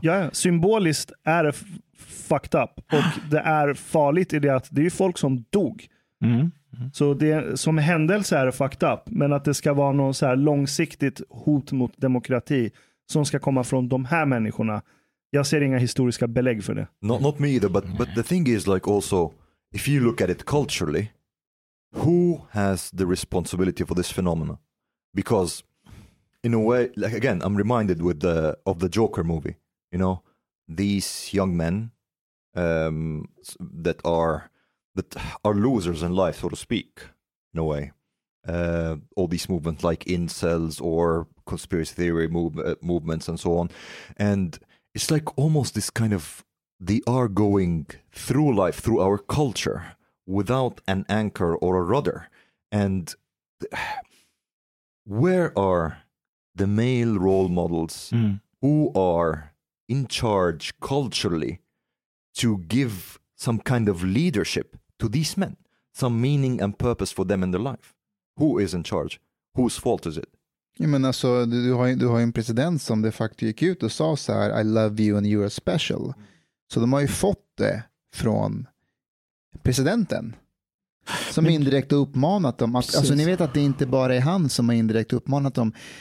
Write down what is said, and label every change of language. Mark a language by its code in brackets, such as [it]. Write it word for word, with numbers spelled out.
[sv] Ja, symboliskt är det fucked up. Och det är farligt i det att det är folk som dog. Mm. Så det, som händelse är det fucked up. Men att det ska vara någon så här långsiktigt hot mot demokrati som ska komma från de här människorna. Jag ser inga historiska belägg för det. [en] Not, not me either, but, but the thing is like also, if you look at it culturally, who has the responsibility for this phenomena? Because in a way, like again, I'm reminded with the, of the Joker movie, you know, these young men um, that are that are losers in life, so to speak, in a way. Uh, all these movements like incels or conspiracy theory move, uh, movements and so on. And it's like almost this kind of, they are going through life, through our culture, without an anchor or a rudder. And where are the male role models mm. who are in charge culturally to give some kind of leadership to these men, some meaning and purpose for them in their life? Who is in charge? Whose fault is it? [sv] Jag menar så, du har ju du har en president som de facto gick ut och sa så här, [en] I love you and you are special. [sv] Så de har ju fått det från presidenten. Som indirekt har uppmanat dem. Att, alltså ni vet att det inte bara är han som har indirekt uppmanat dem.